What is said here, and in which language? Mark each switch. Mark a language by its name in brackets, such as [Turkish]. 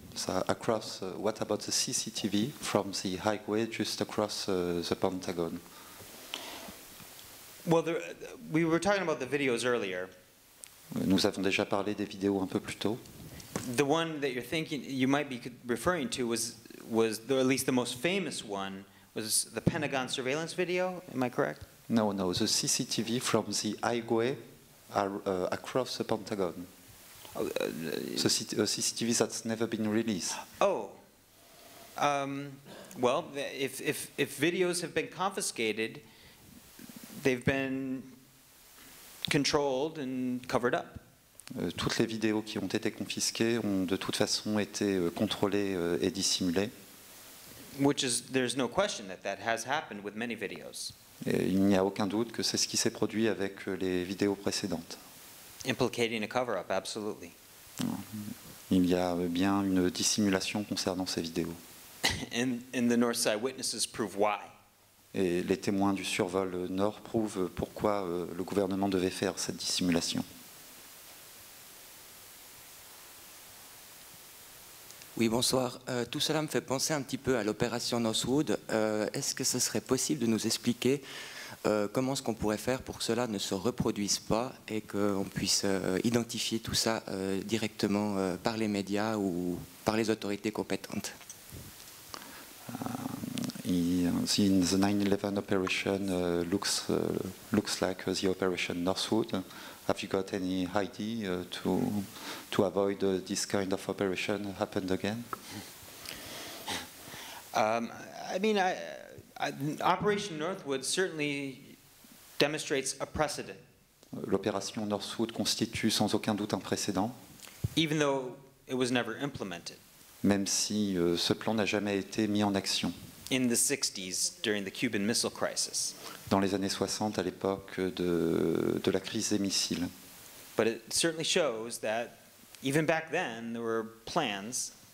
[English] So across, what about the CCTV from the highway just across the Pentagon? Well, we were talking about the videos earlier. [French] Nous avons déjà parlé des vidéos un peu plus tôt. [English] The one that you're thinking you might be referring to was the, at least the most famous one, was the Pentagon surveillance video. Am I correct? No. The CCTV from the highway across the Pentagon. So CCTV that's never been released. Oh. Well, if videos have been confiscated, they've been controlled and covered up. [French] Toutes les vidéos qui ont été confisquées ont de toute façon été contrôlées et dissimulées. [English] Which is, there's no question that that has happened with many videos. [French] Et il n'y a aucun doute que c'est ce qui s'est produit avec les vidéos précédentes. [English] Implicating a cover-up, absolutely. [French] Il y a bien une dissimulation concernant ces vidéos. [English] And the North Side witnesses prove why. [French] Et les témoins du survol nord prouvent pourquoi le gouvernement devait faire cette dissimulation. Oui, bonsoir. Tout cela me fait penser un petit peu à l'opération Northwood. Est-ce que ce serait possible de nous expliquer comment est-ce qu'on pourrait faire pour que cela ne se reproduise pas et qu'on puisse identifier tout ça directement par les médias ou par les autorités compétentes? [English] In the 9/11 operation looks like the operation Northwood. Have you got any idea to avoid this kind of operation happened again? Operation Northwood certainly demonstrates a precedent. [French] L'opération Northwood constitue sans aucun doute un précédent. [English] Even though it was never implemented. [French] Même si ce plan n'a jamais été mis en action. [English] In the 60s, during the Cuban Missile Crisis. [French] Dans les années 60, à l'époque de la crise des missiles. [English] But it certainly shows that even back then there were plans.